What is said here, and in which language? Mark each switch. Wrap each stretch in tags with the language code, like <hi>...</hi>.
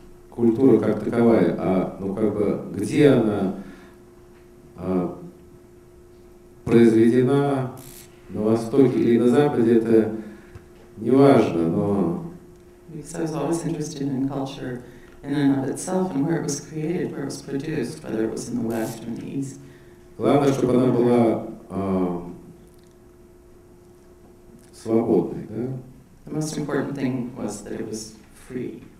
<ru>Культура как таковая, а ну как бы где она произведена на Востоке или на Западе, это не важно, но.</ru> <en>Because I was always interested in culture in and of itself and where it was created, where it was produced, whether it was in the West or in the East.</en> <ru>Главное, чтобы она была свободной, да?</ru> <en>The most important thing was that it was free.</en>